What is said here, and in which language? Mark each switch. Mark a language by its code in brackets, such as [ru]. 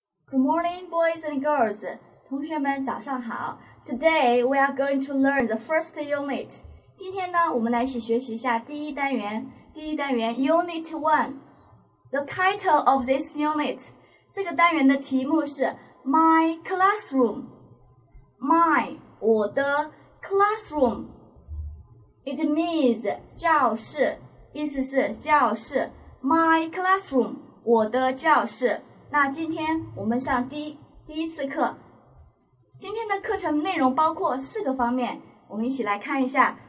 [en] Good morning, boys and girls. [zh] 同学们早上好。 [en] Today, we are going to learn the first unit. [zh] 今天呢，我们来一起学习一下第一单元。第一单元 Unit 1. [en] The title of this unit. [zh] 这个单元的题目是 [en] My Classroom. My, 我的 Classroom. It means [zh] 教室，意思是教室。 My Classroom, 我的教室。那今天我们上第一次课，今天的课程内容包括四个方面，我们一起来看一下。